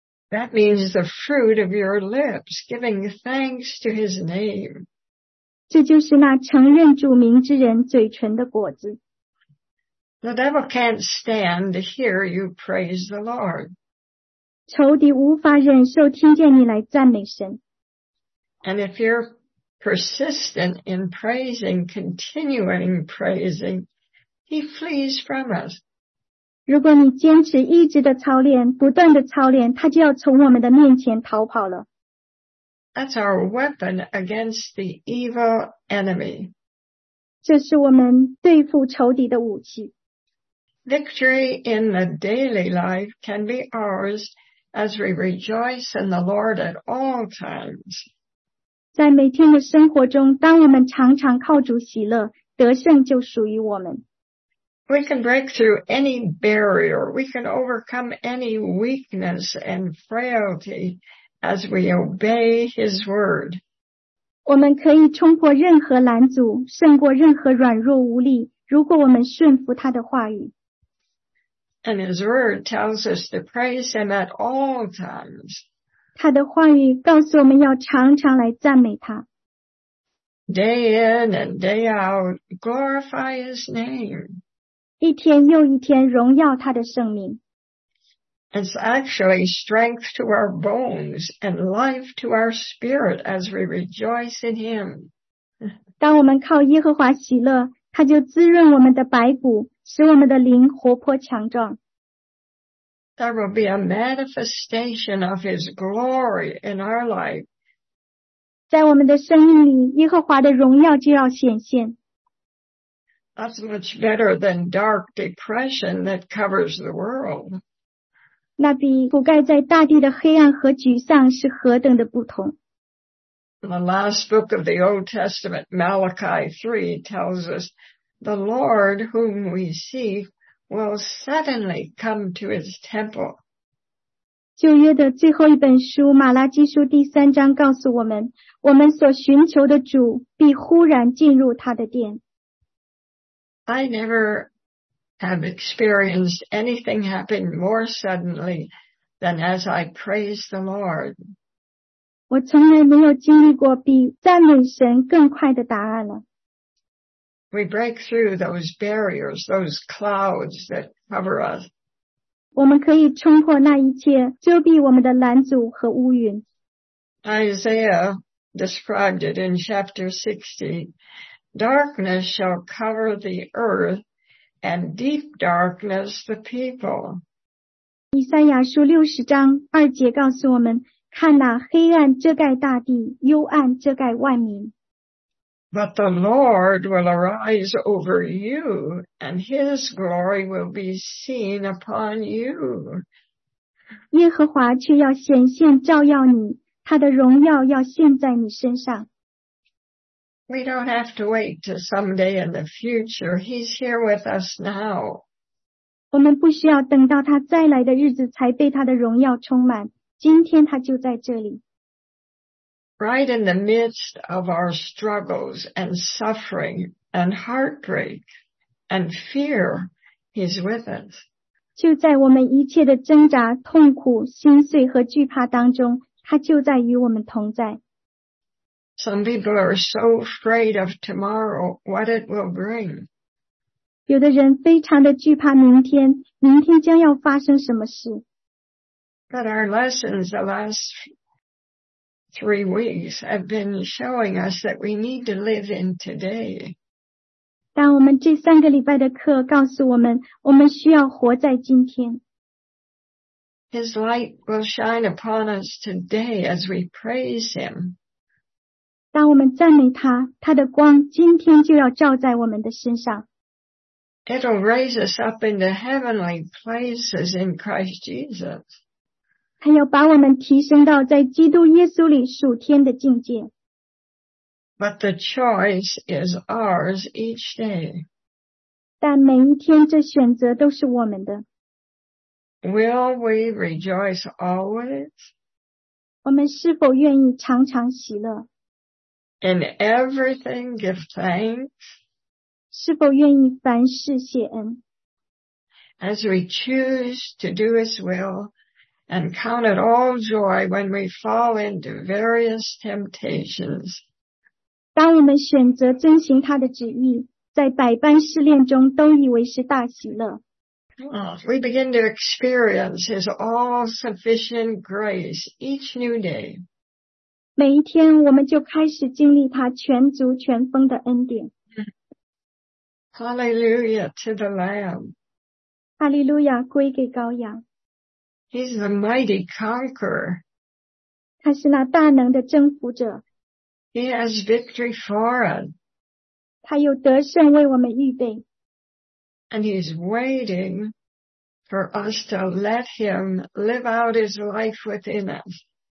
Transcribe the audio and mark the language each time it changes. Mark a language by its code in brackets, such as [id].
[en] That means the fruit of your lips, giving thanks to his name. [zh] 这就是那承认主名之人嘴唇的果子。 [en] The devil can't stand to hear you praise the Lord. [zh] 仇敌无法忍受听见你来赞美神。 [en] And if you're persistent in praising, continuing praising, he flees from us. [zh] 如果你坚持一直的操练，不断的操练，他就要从我们的面前逃跑了。 [en] That's our weapon against the evil enemy. [zh] 这是我们对付仇敌的武器。 [en] Victory in the daily life can be ours as we rejoice in the Lord at all times. [zh] 在每天的生活中，当我们常常靠主喜乐，得胜就属于我们。 [en] We can break through any barrier. We can overcome any weakness and frailty as we obey His word. [zh] 我们可以冲破任何拦阻，胜过任何软弱无力，如果我们顺服他的话语。 [en] And His word tells us to praise Him at all times. [zh] 他的话语告诉我们要常常来赞美他。 [en] Day in and day out, glorify His name. [zh] 一天又一天荣耀他的圣名。 [en] It's actually strength to our bones and life to our spirit as we rejoice in Him. [zh] 当我们靠耶和华喜乐，他就滋润我们的白骨，使我们的灵活泼强壮。 [en] There will be a manifestation of His glory in our life. [zh] 在我们的生命里，耶和华的荣耀就要显现。 [en] That's much better than dark depression that covers the world. [zh] 那比覆盖在大地的黑暗和沮丧是何等的不同。 [en] The last book of the Old Testament, Malachi 3, tells us, the Lord whom we seek will suddenly come to His temple. [zh] 旧约的最后一本书，马拉基书第三章告诉我们，我们所寻求的主必忽然进入他的殿。 [en] I never have experienced anything happen more suddenly than as I praise the Lord. [zh] 我从来没有经历过比赞美神更快的答案了。 [en] We break through those barriers, those clouds that cover us. [zh] 我们可以冲破那一切遮蔽我们的拦阻和乌云。 [en] Isaiah described it in chapter 60. Darkness shall cover the earth, and deep darkness the people. [zh] 以赛亚书六十章二节告诉我们，看哪，黑暗遮盖大地，幽暗遮盖万民。 [en] But the Lord will arise over you, and His glory will be seen upon you. [zh] 耶和华却要显现照耀你，他的荣耀要现在你身上。 [en] We don't have to wait till someday in the future. He's here with us now. [zh] 我们不需要等到他再来的日子才被他的荣耀充满。今天他就在这里。 [en] Right in the midst of our struggles and suffering and heartbreak and fear, He's with us. [zh] 就在我们一切的挣扎、痛苦、心碎和惧怕当中，他就在与我们同在。 [en] Some people are so afraid of tomorrow, what it will bring. [zh] 有的人非常的惧怕明天，明天将要发生什么事。 [en] But our lessons the last 3 weeks have been showing us that we need to live in today. [zh] 当我们这三个礼拜的课告诉我们，我们需要活在今天。 [en] His light will shine upon us today as we praise Him. [zh] 当我们赞美他，他的光今天就要照在我们的身上。 [en] It'll raise us up into heavenly places in Christ Jesus. [zh] 他要把我们提升到在基督耶稣里属天的境界。 [en] But the choice is ours each day. [zh] 但每一天这选择都是我们的。 [en] Will we rejoice always? [zh] 我们是否愿意常常喜乐？ [en] In everything, give thanks. [zh] 是否愿意凡事谢恩？ [en] As we choose to do His will and count it all joy when we fall into various temptations. [zh] 当我们选择遵行他的旨意，在百般试炼中都以为是大喜乐。 [en] We begin to experience His all-sufficient grace each new day. [zh] 每一天我们就开始经历他全足全丰的恩典。 [en] Hallelujah to the Lamb. [zh] Hallelujah, 归给羔羊。 [en] He's the mighty conqueror. [zh] 他是那大能的征服者。 [en] He has victory for us. [zh] 他有得胜为我们预备。 [en] And he's waiting for us to let him live out his life within us.